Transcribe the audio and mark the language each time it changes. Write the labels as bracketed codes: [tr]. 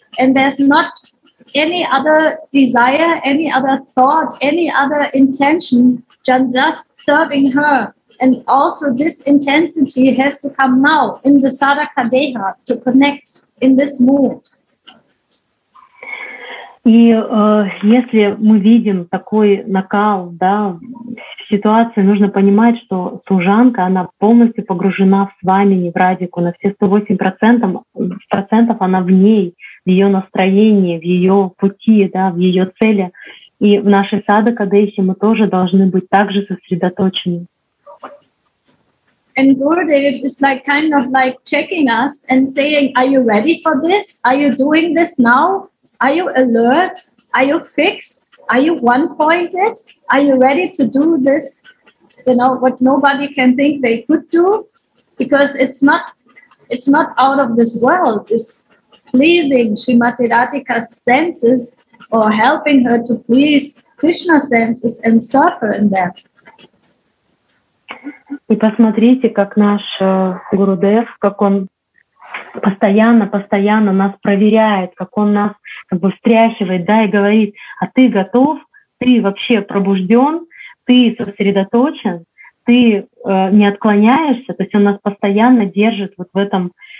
[en] And there's not any other desire, any other thought, any other intention than just serving her. And also this intensity has to come now in the Sadaka Deha to connect in this mood. [ru] И если мы видим такой накал, да, в ситуации, нужно понимать, что служанка, она полностью погружена в Свамини, в Радику, на все 108% она в ней, в ее настроении, в ее пути, да, в ее цели. И в нашей садака дейхи мы тоже должны быть также сосредоточены. [en] And Gurudev is like kind of like checking us and saying, are you ready for this? Are you doing this now? Are you alert? Are you fixed? Are you one-pointed? Are you ready to do this, you know, what nobody can think they could do? Because it's not out of this world. It's pleasing Srimati Radhika's senses or helping her to please Krishna's senses and serve her in that. [ru] И посмотрите, как наш Гурудев, как он постоянно нас проверяет, как он нас как бы встряхивает, да, и говорит, а ты готов, ты вообще пробужден, ты сосредоточен, ты не отклоняешься, то есть он нас постоянно держит вот в этом